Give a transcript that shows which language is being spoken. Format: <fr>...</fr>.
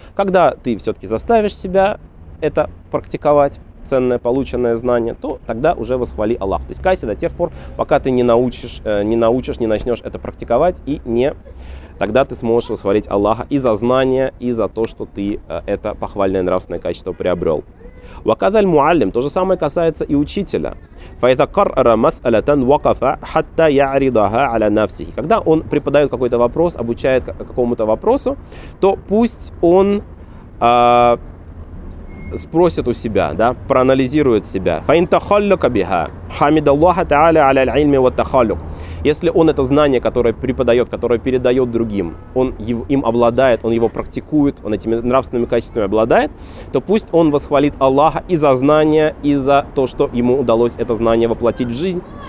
<ru>Когда ты все-таки заставишь себя это практиковать, ценное полученное знание, то тогда уже восхвали Аллах. То есть кайся до тех пор, пока ты не начнешь это практиковать, и не тогда ты сможешь восхвалить Аллаха и за знание, и за то, что ты это похвальное нравственное качество приобрел.</ru> <ar>وكذا المعلم</ar> <ru>то же самое касается и учителя.</ru> <ar>فإذا قرر مسألة وقف حتى يعرضها على نفسه.</ar> <ru>Когда он преподает какой-то вопрос, обучает какому-то вопросу, то пусть он спросит у себя, да, проанализирует себя.</ru> <ar>فإن تخلق بها حمد الله تعالى على العلم والتخلق.</ar> <ru>Если он это знание, которое преподает, которое передает другим, он им обладает, он его практикует, он этими нравственными качествами обладает, то пусть он восхвалит Аллаха и за знание, и за то, что ему удалось это знание воплотить в жизнь.</ru>